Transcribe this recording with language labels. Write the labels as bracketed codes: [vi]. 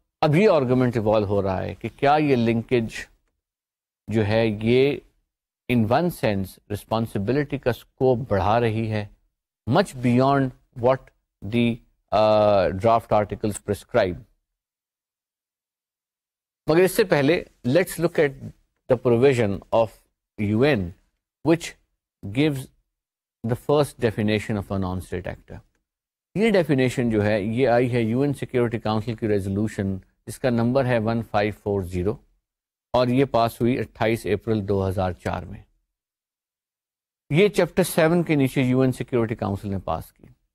[ur] اب یہ argument evolve ہو رہا ہے کہ کیا یہ لنکیج جو ہے یہ ان ون سینس رسپانسبلٹی کا اسکوپ بڑھا رہی ہے [en] Much beyond what the draft articles prescribe. [ur] مگر اس سے پہلے [en] Let's look at the provision of you N which gives the first definition of a non state actor. [ur] یہ ڈیفینیشن جو ہے یہ آئی ہے یو این سیکیورٹی کاؤنسل کی ریزولوشن جس کا نمبر ہے 1540 اور یہ پاس ہوئی 28 اپریل 2004 میں. یہ چیپٹر 7 کے نیچے یو این سیکیورٹی کاؤنسل نے پاس کی.